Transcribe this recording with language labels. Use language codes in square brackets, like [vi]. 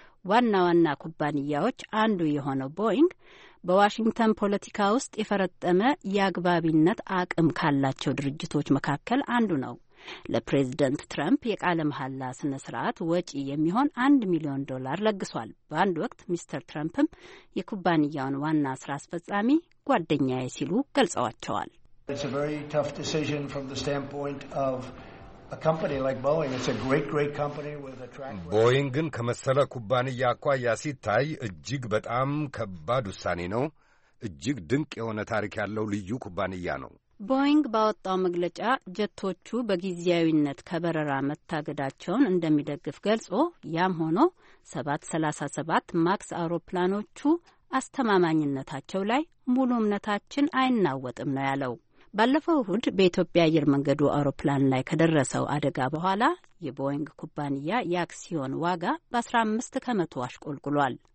[am] ዋና ዋና ኩባንያዎች አንዱ የሆነው ቦይንግ በዋሽንግተን ፖለቲካ ውስጥ የፈረጠመ የአግባቢነት አቅም ካላቸው ድርጅቶች መካከል አንዱ ነው። ለፕሬዝደንት ትራምፕ የቃለ መሐላ ስነ ስርዓት ወጪ የሚሆን $1,000,000 ለግሷል። በአንድ ወቅት ሚስተር ትራምፕም የኩባንያውን ዋና ስራ አስፈጻሚ ጓደኛዬ ሲሉ ገልጸዋቸዋል። [en] It's a very tough decision from the standpoint of a company like Boeing. It's a great, great company with a track record. [am] Boeing ግን ከመሰለ ኩባንያ አኳያ ሲታይ እጅግ በጣም ከባድ ውሳኔ ነው። እጅግ ድንቅ የሆነ ታሪክ ያለው ልዩ ኩባንያ ነው። ቦይንግ ባወጣው መግለጫ ጀቶቹ በጊዜያዊነት ከበረራ መታገዳቸውን እንደሚደግፍ ገልጾ፣ ያም ሆኖ 737 ማክስ አውሮፕላኖቹ አስተማማኝነታቸው ላይ ሙሉ እምነታችን አይናወጥም ነው ያለው። ባለፈው እሁድ በኢትዮጵያ አየር መንገዱ አውሮፕላን ላይ ከደረሰው አደጋ በኋላ የቦይንግ ኩባንያ የአክሲዮን ዋጋ በ15% አሽቆልቁሏል።